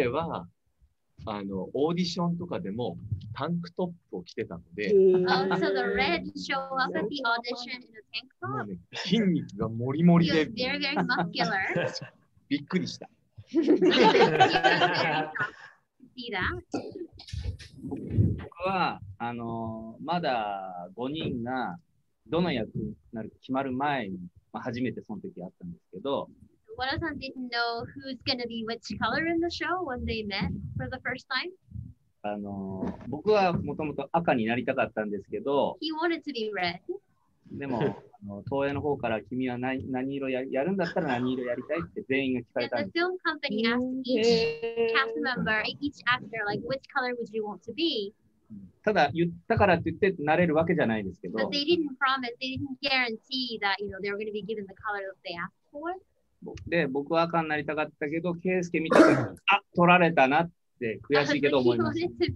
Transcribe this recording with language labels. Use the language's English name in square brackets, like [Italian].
[Japanese] あのオーディションとかでもタンクトップを着てたので、 [English] so the red show up at the audition in a tank top. [Japanese] 筋肉がモリモリで、 [English] he was very very muscular. [Japanese] びっくりした。 [English] see that? [Japanese] 僕はあのまだ5人がどの役になるか決まる前に、まあ、初めてその時あったんですけど。 [English] Wada-san didn't know who's going to be which color in the show when they met for the first time. [Japanese] あの、僕はもともと赤になりたかったんですけど。 [English] He wanted to be red. [Japanese] でも、あの、東映の方から君は 何色やるんだったら何色やりたいって全員が聞かれたんです。 [English] The film company asked each cast member, each actor, like which color would you want to be? [Japanese] ただ言ったからって言ってなれるわけじゃないですけど。 [English] But they didn't promise, they didn't guarantee that, you know, they were going to be given the color that they asked for. [Japanese] で僕は赤になりたかったけど、ケイスケ見たら、あ、取られたなって悔しいけど思いました。